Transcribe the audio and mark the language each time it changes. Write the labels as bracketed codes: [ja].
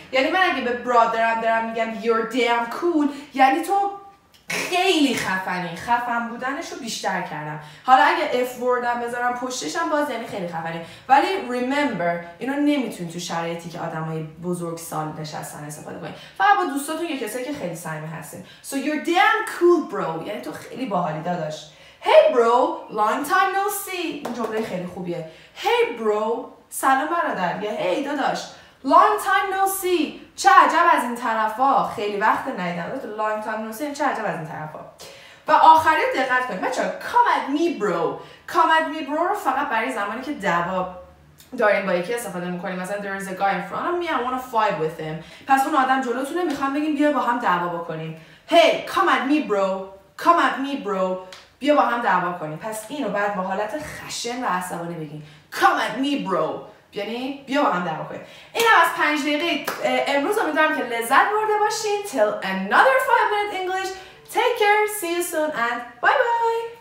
[fa] یعنی من اگه به برادرم دارم میگم you're damn cool، یعنی تو خیلی خفنی، خفن بودنش رو بیشتر کردم. حالا اگه اف وردم بذارم پشتشم باز یعنی خیلی خفنی. ولی remember اینو نمیتونی تو شرایطی که آدم های بزرگ سال نشستن استفاده کنی، فقط با دوستاتون یا کسایی که خیلی صمیمی هستین. [en] So you're damn cool bro [fa] یعنی تو خیلی باحالی داداش. [en] Hey bro, long time no see. جمله خیلی خوبیه. Hey bro, [fa] سلام برادر، یا هی داداش، [en] long time no see، [fa] چه عجب از این طرفا، خیلی وقت ندیدم، long time no see، چه عجب از این طرفا. و آخری دقت کنید بچه ها، come at me bro رو فقط برای زمانی که دعوا داریم با یکی استفاده میکنیم. [en] مثلا there is a guy in front of me, I wanna fight with him. [fa] پس اون آدم جلوتونه، میخوام بگیم بیا با هم دعوا بکنیم. [en] Hey, come at me bro [fa] بیا با هم دعوا کنیم. پس اینو بعد با حالت خشن و عصبانی بگیم come at me bro، یعنی بیا با هم دعوا کنیم. اینم از 5 دقیقه امروز، امیدوارم که لذت برده باشین. [en] Till another 5 minute English. Take care, see you soon and bye bye.